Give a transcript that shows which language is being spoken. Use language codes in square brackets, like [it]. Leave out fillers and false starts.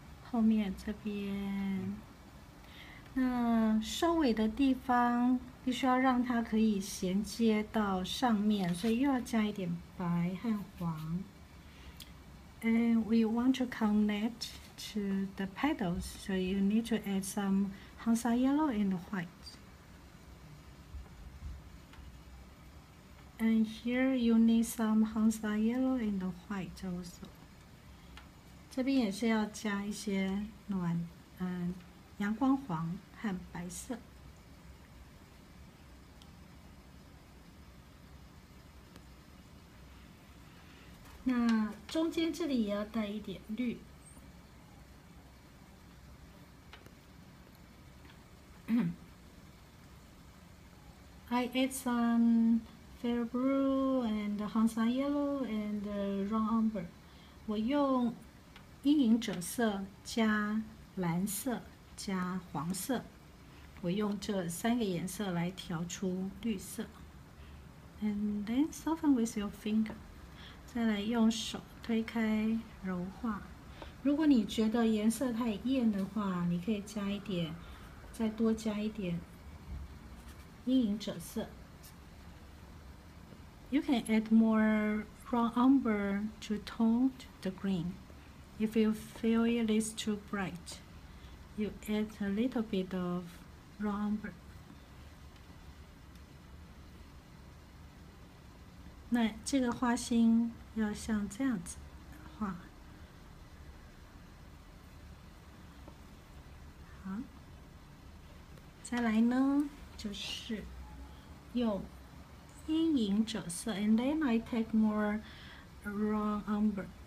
[zh] 后面这边，那收尾的地方必须要让它可以衔接到上面，所以又要加一点白和黄。 [en] And we want to connect to the petals, so you need to add some Hansa yellow and white. And here you need some Hansa yellow and white also. [zh] 这边也是要加一些暖，阳光黄和白色。那中间这里也要带一点绿。 [en] I add some. Fair blue and Hansa yellow and raw umber. [zh] 我用阴影者色加蓝色加黄色，我用这三个颜色来调出绿色。 [en] And then soften with your finger. [zh] 再来用手推开柔化。如果你觉得颜色太艳的话，你可以加一点，再多加一点阴影者色。 [en] You can add more raw umber to tone the green. If you feel it is too bright, you add a little bit of raw umber. [zh] 那这个花心要像这样子画。好，再来呢，就是用阴影者色 ， [en] and then I take more raw umber.